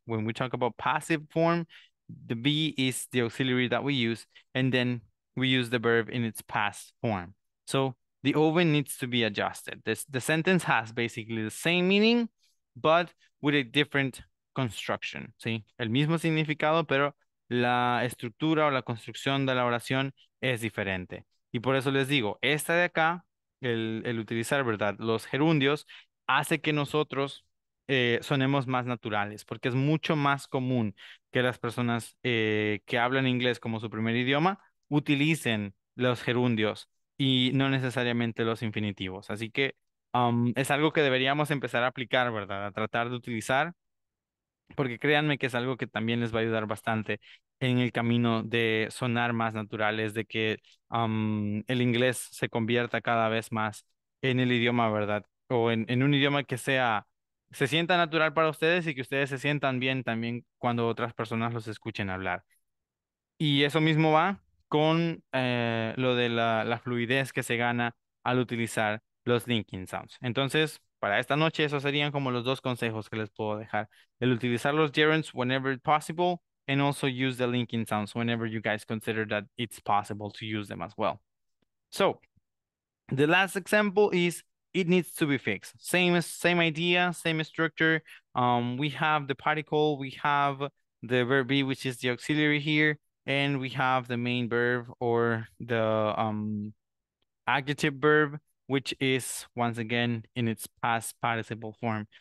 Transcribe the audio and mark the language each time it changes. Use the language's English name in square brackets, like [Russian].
[English] When we talk about passive form, the be is the auxiliary that we use, and then we use the verb in its past form. So the oven needs to be adjusted. The sentence has basically the same meaning, but with a different construction. [Spanish] ¿Sí? El mismo significado, pero la estructura o la construcción de la oración es diferente. Y por eso les digo, esta de acá, el utilizar, ¿verdad?, los gerundios, hace que nosotros sonemos más naturales, porque es mucho más común que las personas que hablan inglés como su primer idioma utilicen los gerundios y no necesariamente los infinitivos. Así que es algo que deberíamos empezar a aplicar, ¿verdad?, a tratar de utilizar, porque créanme que es algo que también les va a ayudar bastante en el camino de sonar más naturales, de que el inglés se convierta cada vez más en el idioma, ¿verdad?, o en un idioma que sea, se sienta natural para ustedes y que ustedes se sientan bien también cuando otras personas los escuchen hablar. Y eso mismo va con lo de la fluidez que se gana al utilizar los linking sounds. Entonces, para esta noche, esos serían como los dos consejos que les puedo dejar. El utilizar los [English] gerunds whenever possible, and also use the linking sounds whenever you guys consider that it's possible to use them as well. So, the last example is, it needs to be fixed. Same idea, same structure. We have the particle, we have the verb be, which is the auxiliary here, and we have the main verb or the adjective verb, which is once again in its past participle form.